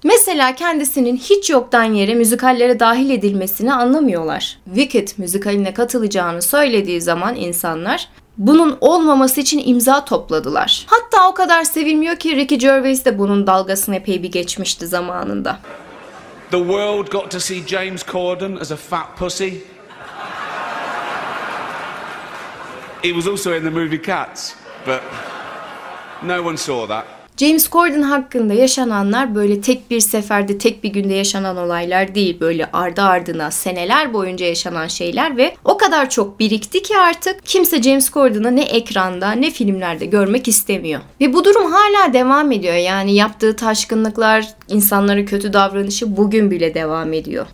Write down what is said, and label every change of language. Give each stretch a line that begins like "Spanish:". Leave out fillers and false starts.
Turkish: Mesela kendisinin hiç yoktan yere müzikallere dahil edilmesini anlamıyorlar. Wicked müzikaline katılacağını söylediği zaman insanlar bunun olmaması için imza topladılar. Hatta o kadar sevilmiyor ki Ricky Gervais de bunun dalgasını epey bir geçmişti zamanında.
English: The world got to see James Corden as a fat pussy. He was also in the movie Cats, but no one saw that.
Turkish: James Corden hakkında yaşananlar böyle tek bir seferde, tek bir günde yaşanan olaylar değil. Böyle ardı ardına seneler boyunca yaşanan şeyler ve o kadar çok birikti ki artık kimse James Corden'ı ne ekranda ne filmlerde görmek istemiyor. Ve bu durum hala devam ediyor. Yani yaptığı taşkınlıklar, insanlara kötü davranışı bugün bile devam ediyor.